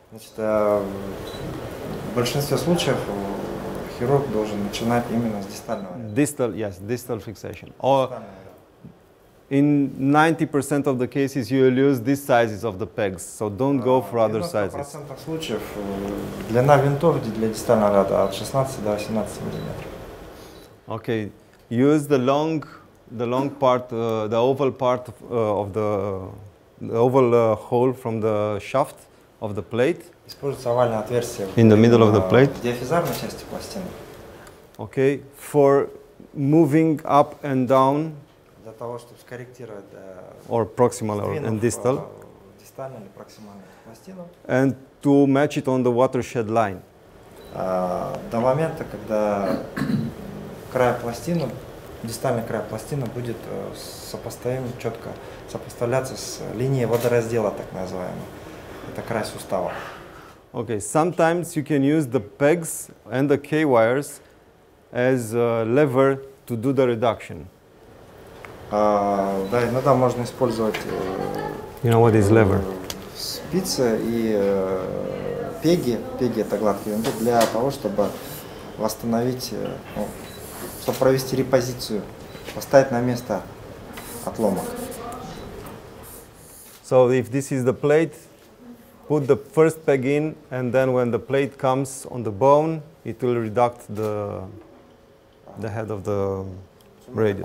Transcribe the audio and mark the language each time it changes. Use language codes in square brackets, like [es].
[ru] Значит, в большинстве случаев хирург должен начинать именно с дистального. [en] Distal, yes, distal fixation. Or in 90% of the cases you will use these sizes of the pegs, so don't go for other sizes. [ru] В 90% случаев длина винтов для дистального ряда от 16 до 18 миллиметров. [en] Okay, use the long part, the oval part of the. The oval hole from the shaft of the plate. [ru] Используется овальное отверстие [en] in the middle of the plate. [ru] Диафизарной части пластины. [en] Okay, for moving up and down. [ru] Для того, чтобы скорректировать. [en] Or proximal and distal. [ru] Дистальную или проксимальную пластину. [en] And to match it on the watershed line. [ru] До момента, когда край пластины. Дистальный край пластины будет сопоставим четко сопоставляться с линией водораздела, так называемой. Это край сустава. [en] Okay, sometimes you can use the pegs and the K wires as a lever to do the reduction. [ru] Да, иногда можно использовать. [en] You know what is lever? [ru] Спицы и пеги это гладкие винты для того, чтобы восстановить. Чтобы провести репозицию, поставить на место отломок. [en] So if this is the plate, put the first peg in, and then when the plate comes on the bone, it will reduce the head of the radius.